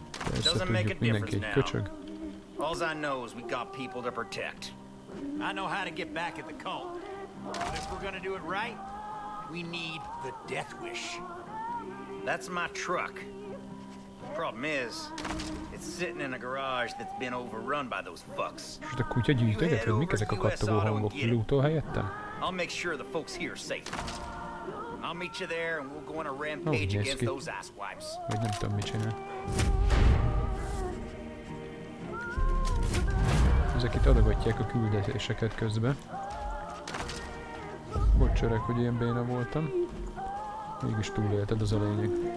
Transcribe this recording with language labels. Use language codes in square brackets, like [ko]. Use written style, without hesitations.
[hu] Persze tudjuk, mindenki egy köcsög. [en] All I know is we got people to protect. I know how to get back at the cult. But if we're gonna do it right, we need the Death Wish. That's my truck. Problem is, it's sitting in a garage that's been overrun by those fucks. [hu] Most a kutya gyűjtöget, hogy mik ezek a kattogó hangok? Lootol helyettem? [en] I'll make sure the folks here are safe. I'll meet you there and we'll go on a rampage against those asswipes. [hu] Vagy nem tudom, mit csinál. Ezek itt adagatják a küldetéseket közben. Bocs, öreg, hogy ilyen béna voltam. Mégis túlélted, az a lényeg.